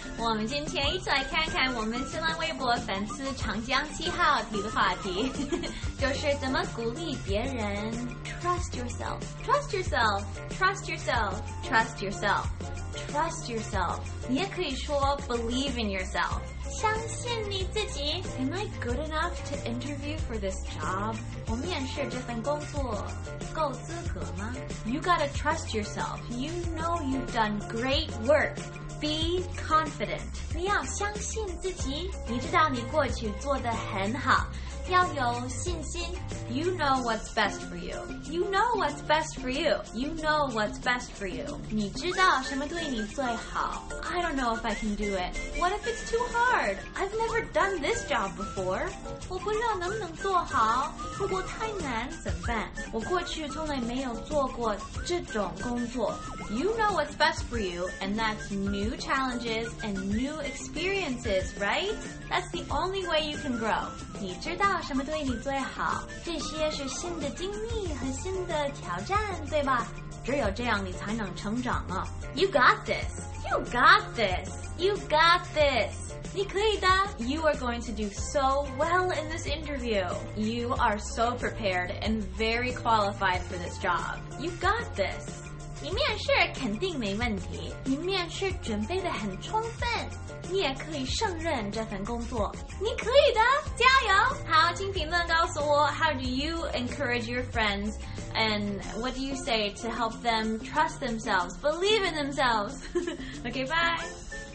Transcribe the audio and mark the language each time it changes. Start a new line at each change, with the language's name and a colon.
Chinese: 我们今天一起来看看我们新浪微博粉丝长江七号提的话题，就是怎么鼓励别人
English: trust yourself, trust yourself, trust yourself, trust yourself, trust yourself.
Chinese: 你也可以说
English: believe in yourself,
Chinese: 相信你自己。
English: Am I good enough to interview for this job?
Chinese: 我面试这份工作够资格吗？
English: You gotta trust yourself. You know you've done great work. Be confident.
Chinese: 你要相信自己。你知道你过去做得很好。要有信心。
English: You know what's best for you. You know what's best for you. You know what's best for you.
Chinese: 你知道什么对你最好。
English: I don't know if I can do it. What if it's too hard? I've never done this job before.
Chinese: 我不知道能不能做好。如果太难怎么办？我过去从来没有做过这种工作。
English: You know what's best for you, and that's new challenges and new experiences, right? That's the only way you can grow.
Chinese: 你知道什么对你最好？这些是新的经历和新的挑战，对吧？只有这样你才能成长啊。
English: You got this. You got this. You got this.
Chinese: 你可以的。
English: You are going to do so well in this interview. You are so prepared and very qualified for this job. You got this.
Chinese: 你面试肯定没问题。你面试准备得很充分。你也可以胜任这份工作。你可以的，加油。好，请评论告诉我
English: ,How do you encourage your friends? And what do you say to help them trust themselves, believe in themselves? Okay, bye.